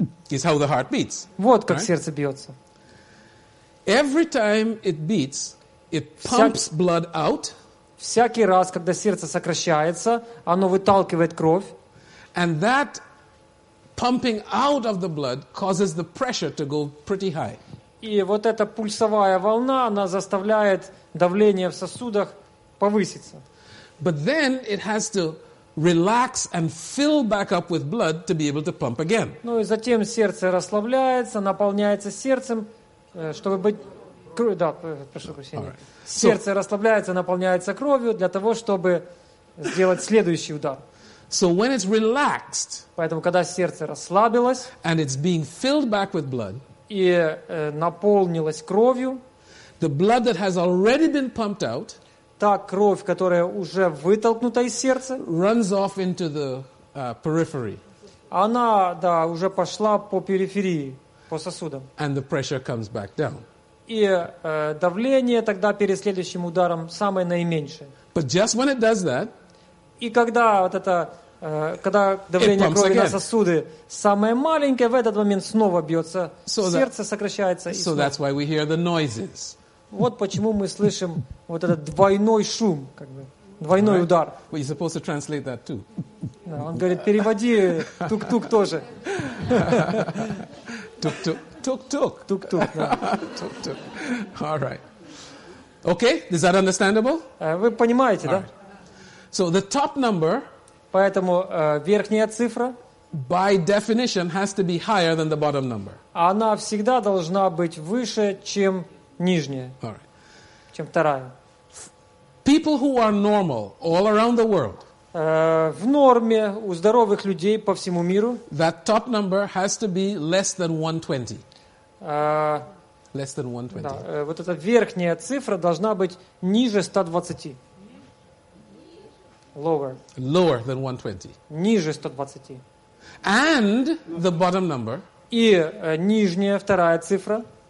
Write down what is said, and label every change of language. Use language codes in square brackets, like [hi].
[en] Is how the heart beats. [ru] Вот как сердце бьется. [en] Every time it beats, it pumps blood out. [ru] Всякий раз, когда сердце сокращается, оно выталкивает кровь. [en] And that pumping out of the blood causes the pressure to go pretty high. [ru] И вот эта пульсовая волна, она заставляет давление в сосудах повыситься. [en] But then it has to relax and fill back up with blood to be able to pump again. [ru] Ну и затем сердце расслабляется, наполняется сердцем, чтобы быть кровь. Да, прошу прощения. Сердце расслабляется, наполняется кровью для того, чтобы сделать следующий удар. [en] So when it's relaxed, [ru] поэтому когда сердце расслабилось, [en] and it's being filled back with blood, [ru] и наполнилось кровью, [en] the blood that has already been pumped out. [ru] Та кровь, которая уже вытолкнута из сердца, [en] runs off into the periphery. [ru] Она, да, уже пошла по периферии, по сосудам. [en] And the pressure comes back down. [ru] И давление тогда перед следующим ударом самое наименьшее. [en] But just when it does that, [ru] и когда вот это, когда давление [en] it pumps [ru] крови [en] again. [ru] На сосуды самое маленькое, в этот момент снова бьется, [en] so [ru] сердце [en] that, [ru] сокращается. [en] So that's why we hear the noises. [ru] Вот почему мы слышим вот этот двойной шум, как бы, двойной [en] right. [ru] удар. [en] Well, you're supposed to translate that too. [ru] Да, он говорит, переводи тук-тук тоже. Тук-тук. Тук-тук, да. Тук-тук. [en] All right. Okay, is that understandable? [ru] Вы понимаете, [en] All [ru] да? [en] Right. So the top number, [ru] поэтому верхняя цифра, [en] by definition, has to be higher than the bottom number. [ru] Она всегда должна быть выше, чем нижняя, [en] all right. [ru] чем вторая. [en] People who are normal all around the world. [ru] В норме у здоровых людей по всему миру. [en] That top number has to be less than 120. Less than 120. [ru] Да, вот эта верхняя цифра должна быть ниже 120. [en] Lower. Lower than 120. [ru] Ниже 120. [en] And the bottom number. [ru] И нижняя вторая цифра.